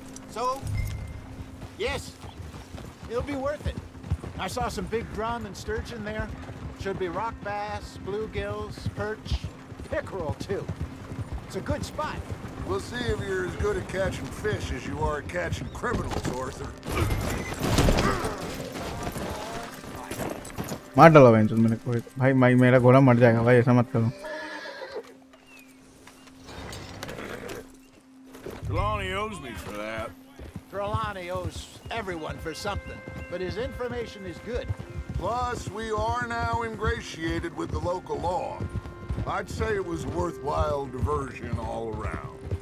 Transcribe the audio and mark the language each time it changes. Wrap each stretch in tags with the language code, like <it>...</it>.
<en>So, yes, it'll be worth it. I saw some big drum and sturgeon there. Should be rock bass, bluegills, perch, pickerel too. It's a good spot. We'll see if you're as good at catching fish as you are at catching criminals, Arthur.</en> <hi>मार डालो भाई जो मैंने कोई भाई भाई मेरा घोड़ा मर जाएगा भाई ऐसा मत करो.</hi> <en>Trelawney owes me for that. Trelawney owes everyone for something, but his information is good. Plus, we are now ingratiated with the local law. I'd say it was a worthwhile diversion all around.</en>